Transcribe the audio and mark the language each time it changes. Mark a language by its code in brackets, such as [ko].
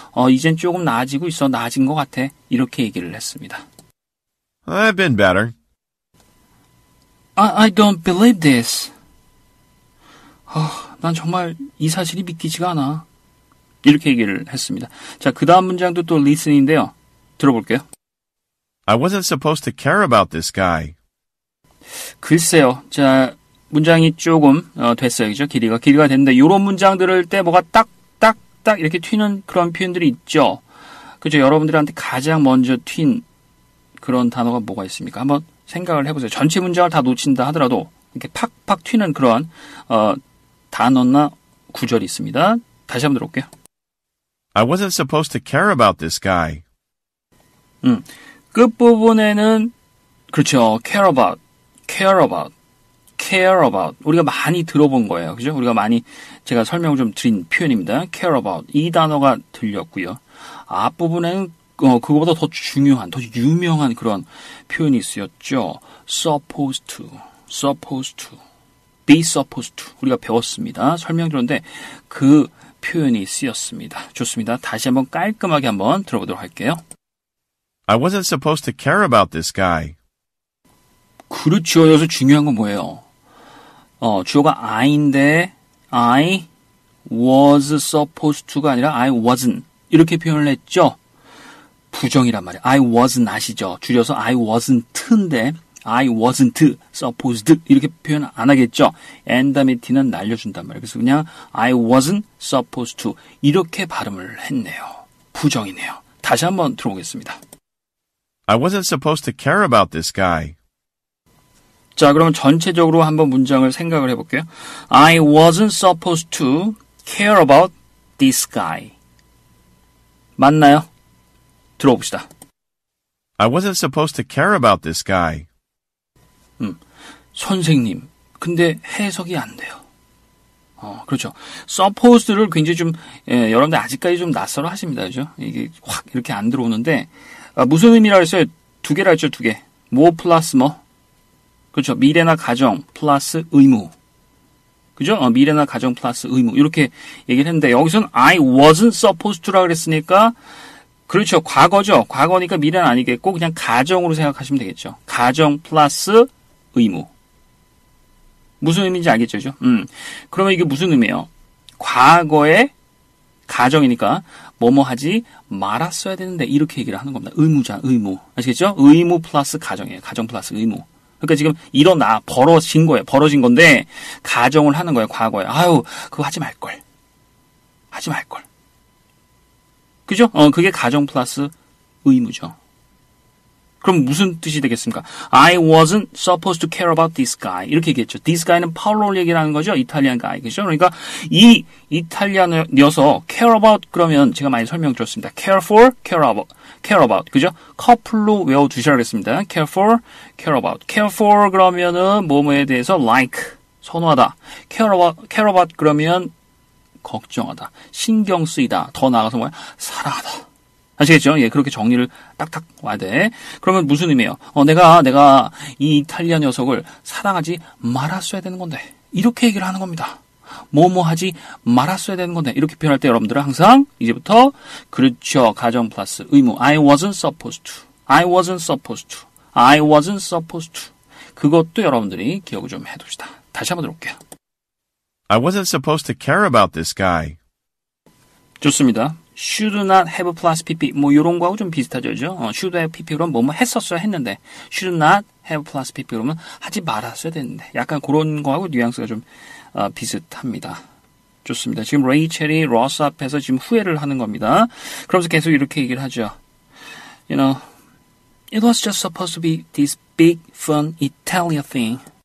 [ko] 이젠 조금 나아지고 있어. 나아진 것 같아. 이렇게 얘기를 했습니다. [en] I've been better. I don't believe this. [ko] 난 정말 이 사실이 믿기지가 않아. 이렇게 얘기를 했습니다. 자, 그 다음 문장도 또 리슨인데요. 들어볼게요. [en] I wasn't supposed to care about this guy. [ko] 글쎄요. 자, 문장이 조금 됐어요. 그죠? 길이가 됐는데 이런 문장 들을 때 뭐가 딱 딱 이렇게 튀는 그런 표현들이 있죠. 그죠? 여러분들한테 가장 먼저 튄 그런 단어가 뭐가 있습니까? 한번 생각을 해보세요. 전체 문장을 다 놓친다 하더라도 이렇게 팍팍 튀는 그런 단어나 구절이 있습니다. 다시 한번 들어볼게요. [en] I wasn't supposed to care about this guy. [ko] 끝부분에는 그렇죠. care about 우리가 많이 들어본 거예요. 그죠? 우리가 많이 제가 설명을 좀 드린 표현입니다. care about 이 단어가 들렸고요. 앞부분에는 그거보다 더 중요한, 더 유명한 그런 표현이 있었죠. [en] Supposed to, supposed to, be supposed to. [ko] 우리가 배웠습니다. 설명드렸는데 그 표현이 쓰였습니다. 좋습니다. 다시 한번 깔끔하게 한번 들어보도록 할게요. [en] I wasn't supposed to care about this guy. [ko] 그렇죠. 여기서 중요한 건 뭐예요? 주어가 I인데 [en] I was supposed to [ko] 가 아니라 I wasn't 이렇게 표현을 했죠. 부정이란 말이에요. I wasn't 아시죠? 줄여서 I wasn't인데 [en] I wasn't supposed [ko] 이렇게 표현 안 하겠죠. Andamity는 날려준단 말이에요. 그래서 그냥 [en] I wasn't supposed to [ko] 이렇게 발음을 했네요. 부정이네요. 다시 한번 들어보겠습니다. [en] I wasn't supposed to care about this guy. [ko] 자, 그러면 전체적으로 한번 문장을 생각을 해볼게요. [en] I wasn't supposed to care about this guy. [ko] 맞나요? 들어봅시다. [en] I wasn't supposed to care about this guy. [ko] 선생님, 근데 해석이 안 돼요. 그렇죠. Supposed를 굉장히 좀, 여러분들 아직까지 좀 낯설어 하십니다. 그죠? 이게 확 이렇게 안 들어오는데, 무슨 의미라 했어요? 두 개라 했죠, 두 개. 뭐 플러스 뭐? 그렇죠. 미래나 가정 플러스 의무. 그죠? 미래나 가정 플러스 의무. 이렇게 얘기를 했는데, 여기서는 [en] I wasn't supposed [ko] 라 그랬으니까, 그렇죠. 과거죠. 과거니까 미래는 아니겠고 그냥 가정으로 생각하시면 되겠죠. 가정 플러스 의무. 무슨 의미인지 알겠죠? 그렇죠? 그러면 이게 무슨 의미예요? 과거의 가정이니까 뭐뭐 하지 말았어야 되는데 이렇게 얘기를 하는 겁니다. 의무자 의무. 아시겠죠? 의무 플러스 가정이에요. 가정 플러스 의무. 그러니까 지금 일어나 벌어진 거예요. 벌어진 건데 가정을 하는 거예요. 과거에. 아유 그거 하지 말걸. 하지 말걸. 그죠? 그게 가정 플러스 의무죠. 그럼 무슨 뜻이 되겠습니까? [en] I wasn't supposed to care about this guy. [ko] 이렇게 얘기했죠. [en] This guy [ko] 는 파울로를 얘기하는 거죠. 이탈리안 guy. 그죠? 그러니까 이 이탈리안이어서 care about 그러면 제가 많이 설명드렸습니다. care for, care about. care about. 그죠? 커플로 외워두시라고 했습니다. care for, care about. care for 그러면은 뭐뭐에 대해서 like, 선호하다. care about 그러면 걱정하다, 신경 쓰이다, 더 나아가서 뭐야? 사랑하다. 아시겠죠? 예, 그렇게 정리를 딱딱 와야 돼. 그러면 무슨 의미예요? 내가 이 이탈리아 녀석을 사랑하지 말았어야 되는 건데. 이렇게 얘기를 하는 겁니다. 뭐뭐 하지 말았어야 되는 건데. 이렇게 표현할 때 여러분들은 항상 이제부터 그렇죠. 가정 플러스 의무. [en] I wasn't supposed to. I wasn't supposed to. I wasn't supposed to. [ko] 그것도 여러분들이 기억을 좀 해둡시다. 다시 한번 들어볼게요. [en] I wasn't supposed to care about this guy. [ko] 좋습니다. [en] Should not have plus PP. [ko] 뭐 이런 거하고 좀 비슷하죠. 그렇죠? [en] Should have PP. [ko] 그럼 뭐뭐 했었어야 했는데. [en] Should not have plus PP. [ko] 그러면 하지 말았어야 됐는데. 약간 그런 거하고 뉘앙스가 좀 비슷합니다. 좋습니다. 지금 레이첼이 로스 앞에서 지금 후회를 하는 겁니다. 그러면서 계속 이렇게 얘기를 하죠. [en] You know, it was just supposed to be this big, fun Italian thing.